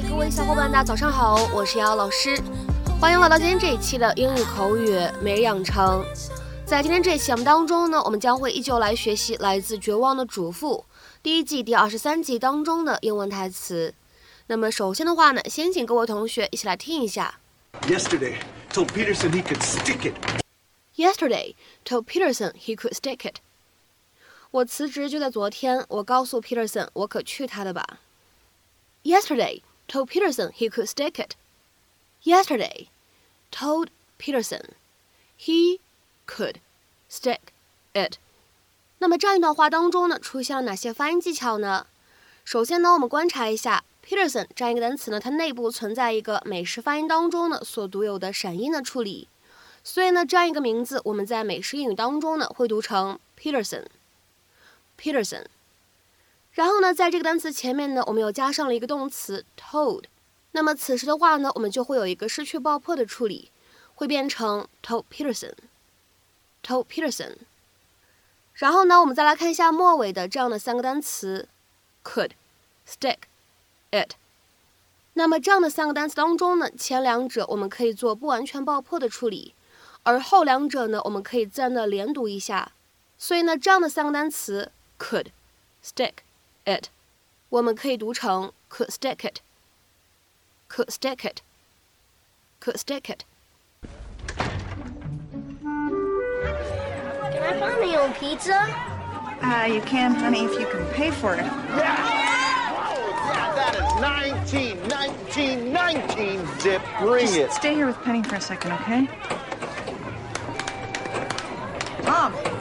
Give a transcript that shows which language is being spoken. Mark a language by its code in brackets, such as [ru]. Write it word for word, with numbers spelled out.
[zh] 小伙伴大家早上好，我是姚老师，欢迎来到今天这一期的英语口语每日养成。在今天这一期节目当中呢，我们将会依旧来学习来自《绝望的主妇》第一季第二十三集当中的英文台词。那么首先的话呢，先请各位同学一起来听一下。 [en] Yesterday told Peterson he could stick it. Yesterday told Peterson he could stick it. [zh] 我辞职就在昨天，我告诉 Peterson 我可去他的吧。 [en] Yesterday told Peterson he could stick it. Yesterday told Peterson he could stick it. [zh] 那么这样一段话当中呢，出现了哪些发音技巧呢？首先呢，我们观察一下 Peterson 这样一个单词呢，它内部存在一个美式发音当中呢所独有的闪音的处理，所以呢，这样一个名字我们在美式英语当中呢会读成 Peterson Peterson。然后呢，在这个单词前面呢，我们又加上了一个动词 told， 那么此时的话呢，我们就会有一个失去爆破的处理，会变成 told Peterson told Peterson。然后呢，我们再来看一下末尾的这样的三个单词 could stick it。那么这样的三个单词当中呢，前两者我们可以做不完全爆破的处理，而后两者呢，我们可以自然的连读一下，所以呢，这样的三个单词 could stick it，我们可以读成 could stick it could stick it could stick it。 [en] Can I buy my own pizza? Uh, you can, honey, if you can pay for it. Yeah, that is nineteen, nineteen, nineteen, zip, bring Just it. Stay here with Penny for a second, okay? Mom.